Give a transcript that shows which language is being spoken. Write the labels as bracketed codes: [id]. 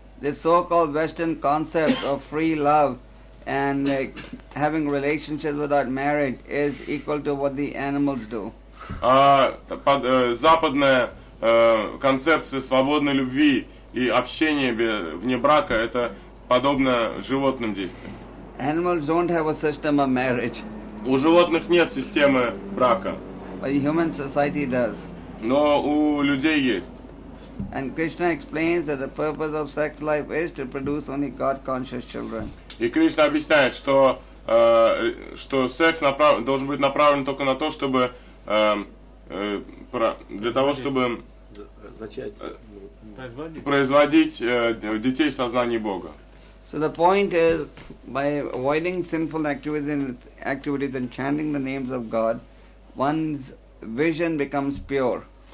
[en] The so-called Western concept of free love and having relationships without marriage is equal to what the animals do. [ru] Западная концепция свободной любви и общения вне брака это подобно животным действиям. [en] Animals don't have a system of marriage. [ru] У животных нет системы брака. [en] But human society does. [ru] Но у людей есть. [en] And Krishna explains that the purpose of sex life is to produce only God-conscious children. [ru] И Кришна объясняет, что что секс должен быть направлен только на то, чтобы для того, чтобы производить детей в сознании Бога. [en] So the point is, by avoiding sinful activities and chanting the names of God, one's vision becomes pure.